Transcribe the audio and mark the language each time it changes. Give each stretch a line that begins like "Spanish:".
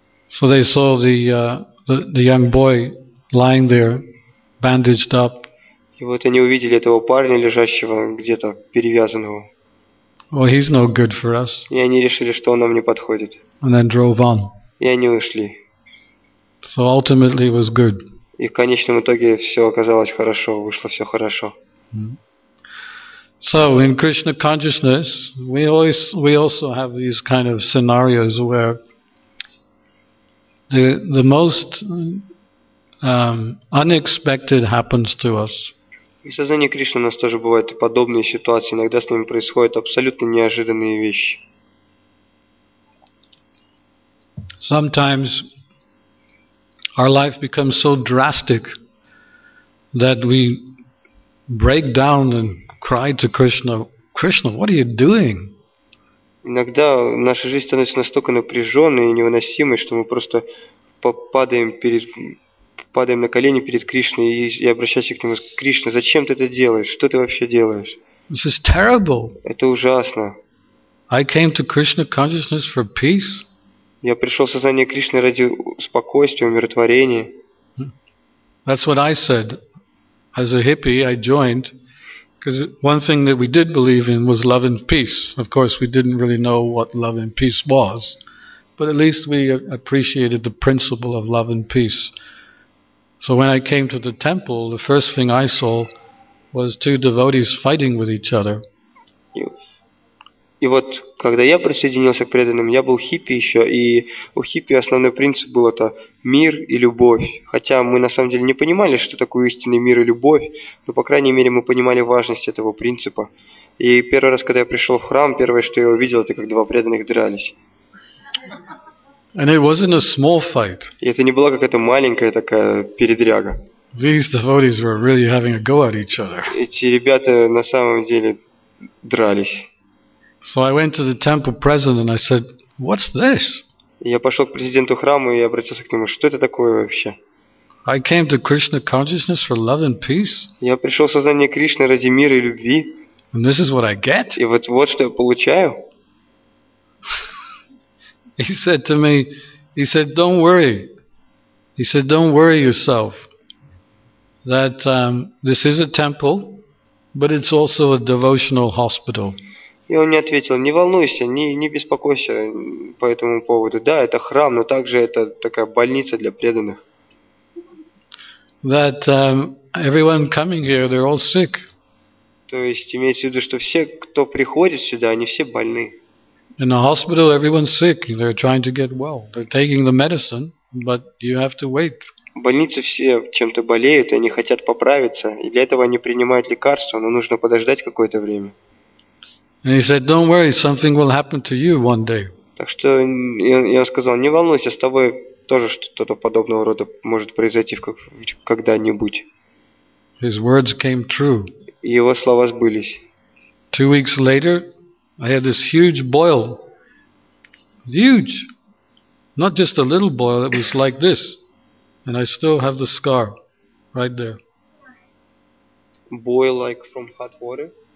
English: So they saw the young boy lying there, bandaged up.
Russian: И вот они увидели этого парня, лежащего где-то перевязанного.
English: "Well, he's no good for us."
Russian: И они решили, что он нам не подходит.
English: And then drove on.
Russian: И они ушли.
English: So ultimately it was good.
Russian: И в конечном итоге все оказалось хорошо, вышло все хорошо.
English: So in Krishna consciousness, we also have these kind of scenarios where the most unexpected happens to us.
Russian: В сознании Кришны у нас тоже бывают подобные ситуации. Иногда с ними происходят абсолютно неожиданные вещи.
English: Sometimes our life becomes so drastic that we break down and cry to Krishna, "Krishna, what are you doing?"
Russian: Иногда наша жизнь становится настолько напряженной и невыносимой, что мы просто падаем на колени перед Кришной и обращаемся к нему: "Кришна, зачем ты это делаешь? Что ты вообще делаешь?"
English: This is terrible.
Russian: Это ужасно.
English: I came to Krishna consciousness for peace.
Russian: Я пришел в сознание Кришны ради спокойствия, умиротворения.
English: That's what I said. As a hippie, I joined. Because one thing that we did believe in was love and peace. Of course, we didn't really know what love and peace was. But at least we appreciated the principle of love and peace. So when I came to the temple, the first thing I saw was two devotees fighting with each other.
Russian: И вот, когда я присоединился к преданным, я был хиппи еще, и у хиппи основной принцип был это мир и любовь. Хотя мы на самом деле не понимали, что такое истинный мир и любовь, но, по крайней мере, мы понимали важность этого принципа. И первый раз, когда я пришел в храм, первое, что я увидел, это как два преданных дрались.
English: And it wasn't a small fight.
Russian: И это не была какая-то маленькая такая передряга.
English: These devotees were really having a go at each other.
Russian: Эти ребята на самом деле дрались.
English: So I went to the temple president and I said, "What's this?"
Russian: Я пошёл к президенту храма и обратился к нему: "Что это такое вообще?"
English: I came to Krishna consciousness for love and peace.
Russian: Я пришёл в сознание Кришны ради мира и любви.
English: And this is what I get?
Russian: И вот вот что я получаю.
English: He said, "Don't worry yourself. That this is a temple, but it's also a devotional hospital."
Russian: И он мне ответил: не волнуйся, не беспокойся по этому поводу. Да, это храм, но также это такая больница для преданных.
English: That everyone coming here, they're all sick.
Russian: То есть имеется в виду, что все, кто приходит сюда, они все больны.
English: In the hospital, everyone's sick. They're trying to get well. They're taking the medicine, but you have to wait.
Russian: В больнице все чем-то болеют, и они хотят поправиться. И для этого они принимают лекарства, но нужно подождать какое-то время.
English: And he said, "Don't worry, something will happen to you one day."
Russian: Так что я сказал: не волнуйся, с тобой тоже что-то подобного рода может произойти когда-нибудь.
English: His words came true.
Russian: Его слова сбылись.
English: 2 weeks later, I had this huge boil. Huge. Not just a little boil, it was like this. And I still have the scar right there. Boil like from hot water?